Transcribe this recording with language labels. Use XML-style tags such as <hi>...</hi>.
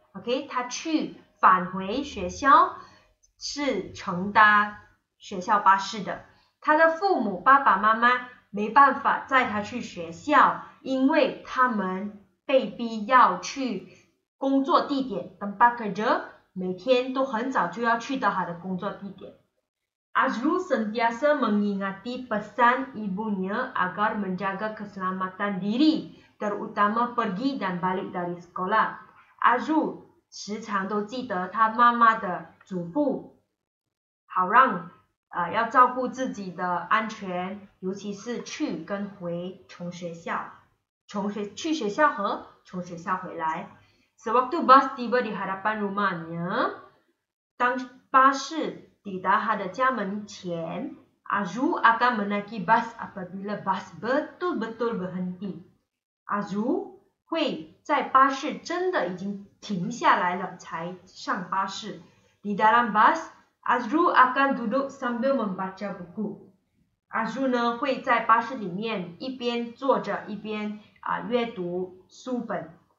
<ms>Okey, dia pergi,</ms> <zh>返回学校, 是乘搭学校巴士的. 他的父母, 爸爸妈妈, 没办法载他去学校, 因为他们被逼要去工作地点,</zh> <ms>tempat kerja,</ms> <zh>每天都很早就要去到他的工作地点.</zh> <ms>Azrul sentiasa mengingati pesan ibunya agar menjaga keselamatan diri, terutama pergi dan balik dari sekolah.</ms> <zh>Azrul 时常都记得他妈妈的嘱咐, 好让, 要照顾自己的安全, 尤其是去跟回从学校, 去学校和从学校回来.</zh> <ms>Sewaktu bas tiba di hadapan rumahnya,</ms> <zh>当巴士抵达他的家门前,</zh> <ms>Azrul akan menaiki bas apabila bas betul-betul berhenti.</ms> <zh>Azrul 会在巴士真的已经停下来了才上巴士.</zh> <ms>Di dalam bas, Azrul akan duduk sambil membaca buku.</ms> <zh>Azrul 会在巴士里面一边坐着一边阅读书本.</zh>